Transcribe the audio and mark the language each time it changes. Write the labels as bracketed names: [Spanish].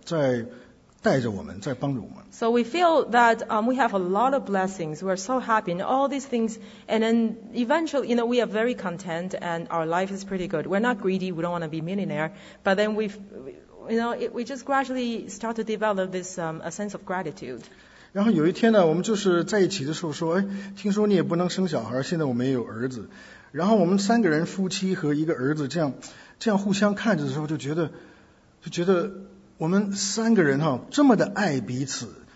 [Chinese] 对，这就是另外一个，我们觉得好像是冥冥之中有一个力量在带着我们，在帮助我们。 [English] So we feel that we have a lot of blessings. We're so happy and all these things. And then eventually, you know, we are very content and our life is pretty good. We're not greedy. We don't want to be millionaire. But then we just gradually start to develop this a sense of gratitude. [Chinese] 然后有一天呢，我们就是在一起的时候说，哎，听说你也不能生小孩，现在我们也有儿子。然后我们三个人夫妻和一个儿子这样互相看着的时候，就觉得我们三个人这么的爱彼此。